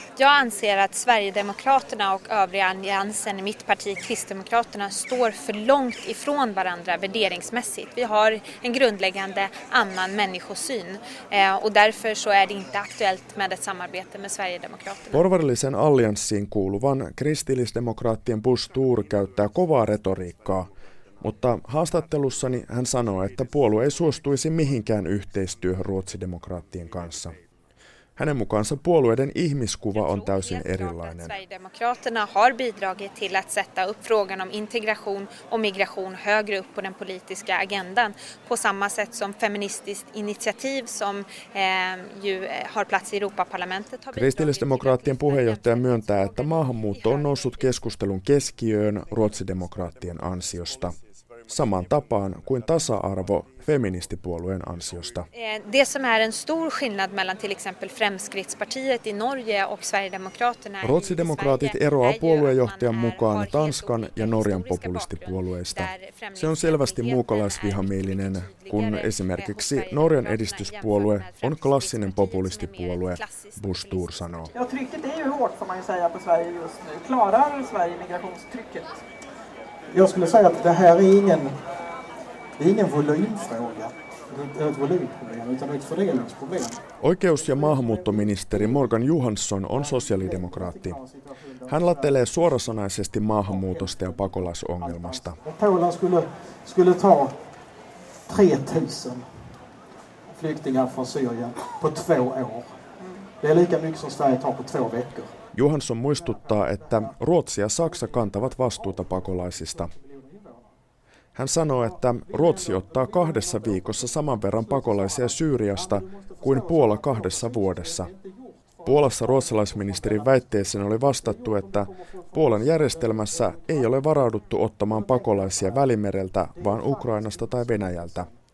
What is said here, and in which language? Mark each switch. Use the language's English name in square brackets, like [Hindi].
[Swedish] Jag anser att Sverigedemokraterna och övriga alliansen i mitt parti, Kristdemokraterna, står för långt ifrån varandra värderingsmässigt. Vi har en grundläggande annan människosyn och därför så är det inte aktuellt med ett samarbete med Sverigedemokraterna. [Finnish] Porvarillisen allianssiin kuuluvan kristillisdemokraattien Busch Thor käyttää kovaa retoriikkaa, mutta haastattelussani hän sanoo, että puolue ei suostuisi mihinkään yhteistyöhön ruotsidemokraattien kanssa. Hänen mukaansa puolueiden ihmiskuva on täysin erilainen. [Swedish] Sverigedemokraterna har bidragit till att sätta upp frågan om integration och migration högre upp på den politiska agendan på samma sätt som feministiskt initiativ som ju har plats i Europaparlamentet. [Finnish] Kristillisdemokraattien puheenjohtaja myöntää, että maahanmuutto on noussut keskustelun keskiöön ruotsidemokraattien ansiosta. Samaan tapaan kuin tasa-arvo feministipuolueen ansiosta. [Swedish] Det som är en stor skillnad mellan till exempel Fremskrittspartiet i Norge och Sverigedemokraterna. [Finnish] Ruotsidemokraatit eroaa puoluejohtajan mukaan Tanskan ja Norjan populistipuolueista. Se on selvästi muukalaisvihamielinen, kun esimerkiksi Norjan edistyspuolue on klassinen populistipuolue, Busch Thor sanoo. [Swedish] Ja, trycket är ju hårt, får man ju säga, på Sverige just nu. Klarar Sverige migrationstrycket? Jag skulle säga att det här är ingen volymfråga, ett volymproblem, utan ett fördelningsproblem. [Finnish] Oikeus- ja maahanmuuttoministeri Morgan Johansson on sosiaalidemokraatti. Hän latelee suorasanaisesti maahanmuutosta ja pakolaisongelmasta. [Swedish] Polen skulle ta 3000 flyktingar från Syrien på 2 år. Det är lika mycket som Sverige tar på 2 veckor. [Finnish] Johansson muistuttaa, että Ruotsi ja Saksa kantavat vastuuta pakolaisista. Hän sanoo, että Ruotsi ottaa 2 viikossa saman verran pakolaisia Syyriasta kuin Puola 2 vuodessa. Puolassa ruotsalaisministerin väitteeseen oli vastattu, että Puolan järjestelmässä ei ole varauduttu ottamaan pakolaisia Välimereltä, vaan Ukrainasta tai Venäjältä.